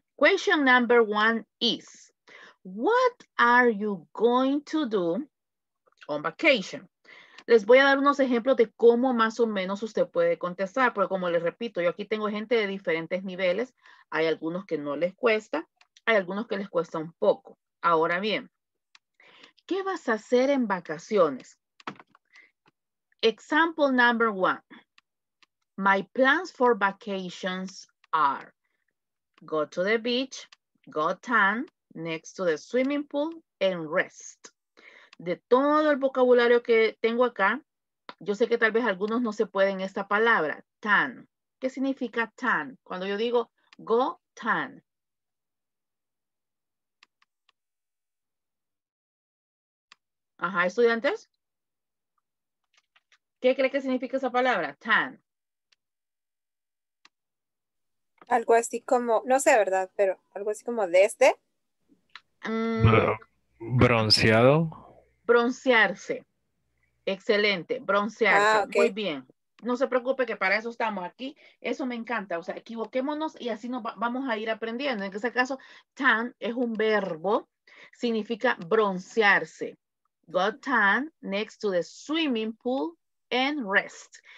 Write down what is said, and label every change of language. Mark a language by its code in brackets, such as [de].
[en] Question number 1 is, what are you going to do on vacation? [es] Les voy a dar unos ejemplos de cómo más o menos usted puede contestar, porque como les repito, yo aquí tengo gente de diferentes niveles. Hay algunos que no les cuesta, hay algunos que les cuesta un poco. Ahora bien, ¿qué vas a hacer en vacaciones? [en] Example number 1. My plans for vacations are go to the beach, go tan, next to the swimming pool, and rest. [es] De todo el vocabulario que tengo acá, yo sé que tal vez algunos no se pueden esta palabra, tan. ¿Qué significa tan? Cuando yo digo [en] go tan. [es] Ajá, estudiantes. ¿Qué cree que significa esa palabra? Tan. Algo así como, no sé, ¿verdad? Pero algo así como desde. Bronceado. Broncearse. Excelente. Broncearse. Ah, okay. Muy bien. No se preocupe que para eso estamos aquí. Eso me encanta. O sea, equivoquémonos y así nos vamos a ir aprendiendo. En ese caso, tan es un verbo. Significa broncearse. [en] Got tan next to the swimming pool and rest.